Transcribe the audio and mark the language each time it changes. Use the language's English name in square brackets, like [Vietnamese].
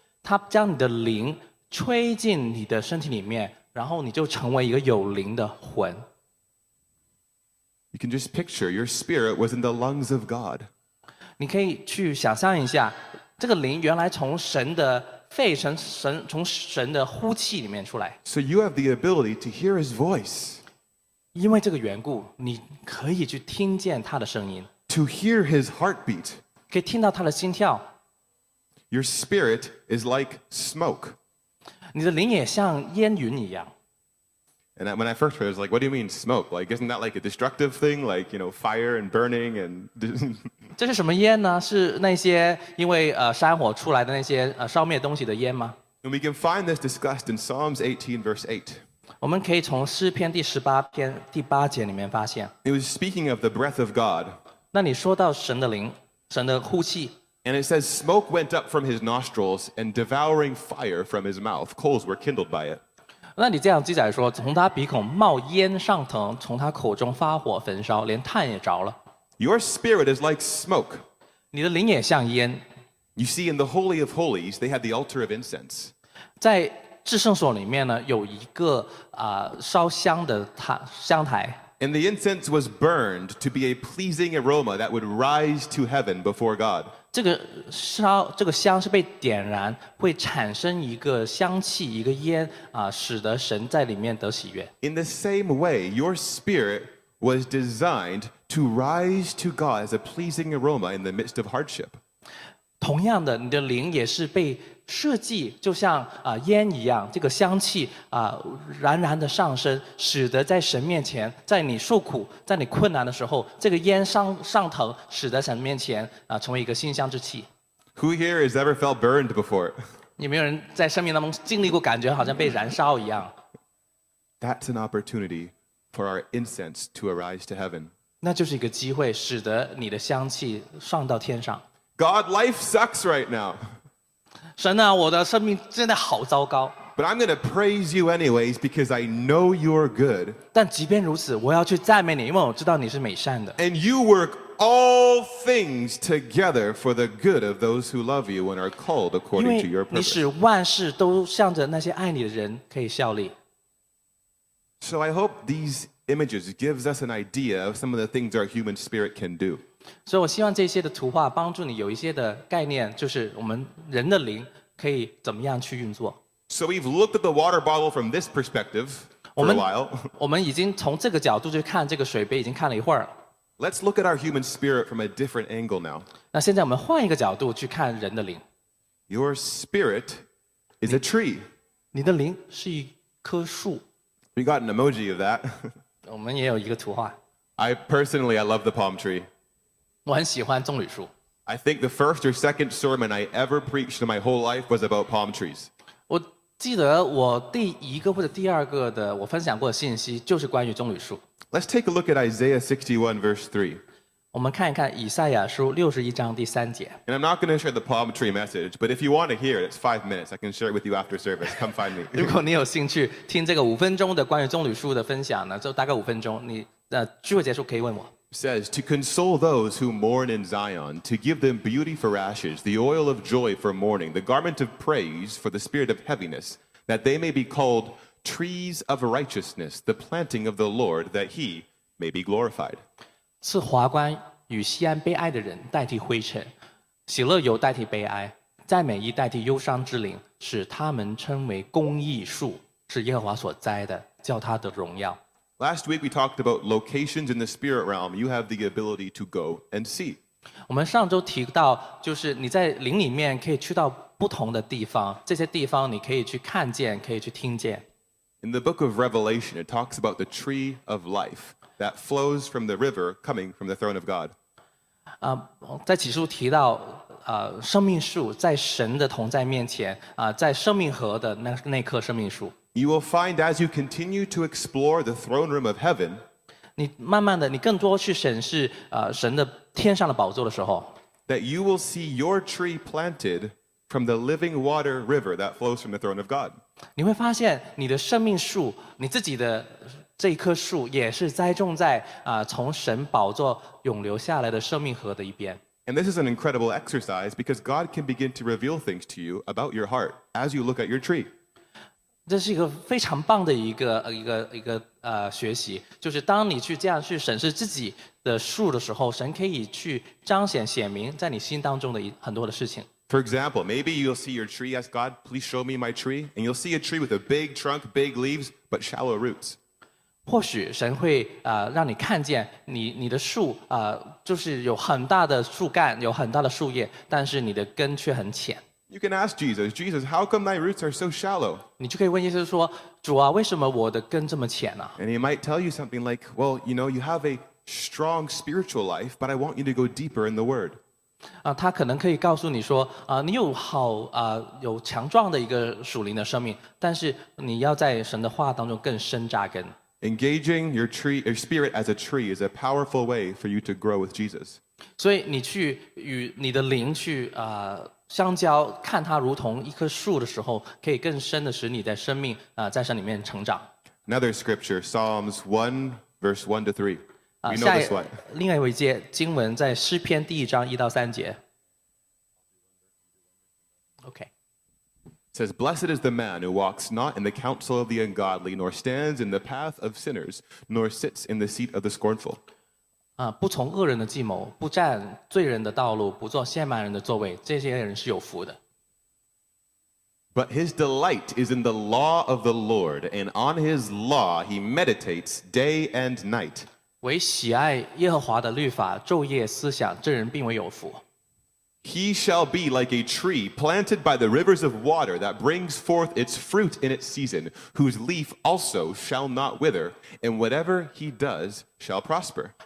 [Chinese] 他将你的灵吹进你的身体里面，然后你就成为一个有灵的魂。 [English] You can just picture your spirit was in the lungs of God. [Chinese] 你可以去想象一下，这个灵原来从神的肺，从神的呼气里面出来。 [English] So you have the ability to hear his voice. [Chinese] 因为这个缘故，你可以去听见他的声音。 [English] To hear his heartbeat. [Chinese] 可以听到他的心跳。 [English] Your spirit is like smoke. [Chinese] 你的灵也像烟云一样。 [English] And when I first heard it, I was like, what do you mean smoke? Like, isn't that like a destructive thing? Like, you know, fire and burning and... [Chinese] 这是什么烟呢？是那些因为山火出来的那些烧灭东西的烟吗？ [English] And we can find this discussed in Psalms 18 verse 8. [Chinese] 我们可以从诗篇第十八篇第八节里面发现。 [English] It was speaking of the breath of God. [Chinese] 那你说到神的灵，神的呼气。 [English] And it says, smoke went up from his nostrils and devouring fire from his mouth. Coals were kindled by it. [Chinese] 那你这样记载说，从他鼻孔冒烟上腾，从他口中发火焚烧，连炭也着了。 [English] Your spirit is like smoke. [Chinese] 你的灵也像烟。 [English] You see, in the Holy of Holies, they had the altar of incense. [Chinese] 在至圣所里面呢，有一个烧香的香台。 [English] And the incense was burned to be a pleasing aroma that would rise to heaven before God. [Chinese] 这个香是被点燃，会产生一个香气，一个烟使得神在里面得喜悦。 [English] In the same way, your spirit was designed to rise to God as a pleasing aroma in the midst of hardship. [Chinese] 同样的，你的灵也是被设计就像烟一样，这个香气冉冉的上升，使得在神面前，在你受苦，在你困难的时候，这个烟上腾，使得神面前成为一个馨香之气。 [English] Who here has ever felt burned before? [Chinese] 有没有人在生命当中经历过感觉好像被燃烧一样？ [English] That's an opportunity for our incense to arise to heaven. [Chinese] 那就是一个机会，使得你的香气上到天上。 [English] God, life sucks right now. [Chinese] 神啊，我的生命真的好糟糕。 [English] But I'm going to praise you anyways because I know you're good. [Chinese] 但即便如此，我要去赞美你，因为我知道你是美善的。 [English] And you work all things together for the good of those who love you and are called according to your purpose. [Chinese] 你使万事都向着那些爱你的人可以效力。 [English] So I hope these images gives us an idea of some of the things our human spirit can do. [Chinese] 所以我希望这些的图画帮助你有一些的概念，就是我们人的灵可以怎么样去运作。 [English] So we've looked at the water bottle from this perspective for a while. [Chinese] 我们已经从这个角度去看这个水杯，已经看了一会儿。 [English] Let's look at our human spirit from a different angle now. [Chinese] 那现在我们换一个角度去看人的灵。 [English] Your spirit is a tree. [Chinese] 你的灵是一棵树。 [English] We got an emoji of that. [Chinese] 我们也有一个图画。 [English] I love the palm tree. [Chinese] 我很喜欢棕榈树。 [English] I think the first or second sermon I ever preached in my whole life was about palm trees. [Chinese] 我记得我第一个或者第二个的我分享过的信息就是关于棕榈树。 [English] Let's take a look at Isaiah 61 verse 3. [Chinese] 我们看一看以赛亚书61章第三节。 [English] And I'm not going to share the palm tree message, but if you want to hear it, it's 5 minutes. I can share it with you after service. Come find me. [Chinese] 如果你有兴趣听这个五分钟的关于棕榈树的分享呢，就大概五分钟，你聚会结束可以问我。 [English] Says to console those who mourn in Zion, to give them beauty for ashes, the oil of joy for mourning, the garment of praise for the spirit of heaviness, that they may be called trees of righteousness, the planting of the Lord, that he may be glorified. [Chinese] 赐华冠与锡安悲哀的人代替灰尘，喜乐油代替悲哀，赞美衣代替忧伤之灵，使他们称为公义树，是耶和华所栽的，叫他的荣耀。 [English] Last week we talked about locations in the spirit realm. You have the ability to go and see. [Chinese] 我们上周提到，就是你在灵里面可以去到不同的地方，这些地方你可以去看见，可以去听见。 [English] In the book of Revelation, it talks about the tree of life that flows from the river coming from the throne of God. [Chinese] 在启示录提到，生命树在神的同在面前，在生命河的那棵生命树。 [English] You will find as you continue to explore the throne room of heaven, [Chinese] 你慢慢的，你更多去审视神的天上的宝座的时候 [English] ，that you will see your tree planted from the living water river that flows from the throne of God。 [Chinese] 你会发现你的生命树，你自己的这一棵树，也是栽种在从神宝座涌流下来的生命河的一边。 [English] And this is an incredible exercise because God can begin to reveal things to you about your heart as you look at your tree. [Chinese] 这是一个非常棒的一个学习，就是当你去这样去审视自己的树的时候，神可以去彰显显明在你心当中的很多的事情。 [English] For example, maybe you'll see your tree as God, please show me my tree, and you'll see a tree with a big trunk, big leaves, but shallow roots. [Chinese] 或许神会让你看见你的树就是有很大的树干，有很大的树叶，但是你的根却很浅。 [English] You can ask Jesus, Jesus, how come my roots are so shallow? [Chinese] 你就可以问耶稣说，主啊，为什么我的根这么浅呢？ [English] And he might tell you something like, well, you know, you have a strong spiritual life, but I want you to go deeper in the word. [Chinese] 他可能可以告诉你说你有好有强壮的一个属灵的生命，但是你要在神的话当中更深扎根。 [English] Engaging your tree, your spirit as a tree is a powerful way for you to grow with Jesus. [Chinese] 所以你去与你的灵去相交，看它如同一棵树的时候，可以更深的使你在生命在神里面成长。 [English] Another scripture, Psalms 1 verse 1 to 3. [Chinese] 另外一节经文在诗篇第一章一到三节。 [English] Okay. It says, Blessed is the man who walks not in the counsel of the ungodly, nor stands in the path of sinners, nor sits in the seat of the scornful. [Chinese] 不从恶人的计谋，不占罪人的道路，不坐亵慢人的座位，这些人是有福的。 [English] But his delight is in the law of the Lord, and on his law he meditates day and night. [Chinese] 为喜爱耶和华的律法，昼夜思想，这人并为有福。 [English] He shall be like a tree planted by the rivers of water that brings forth its fruit in its season, whose leaf also shall not wither, and whatever he does shall prosper.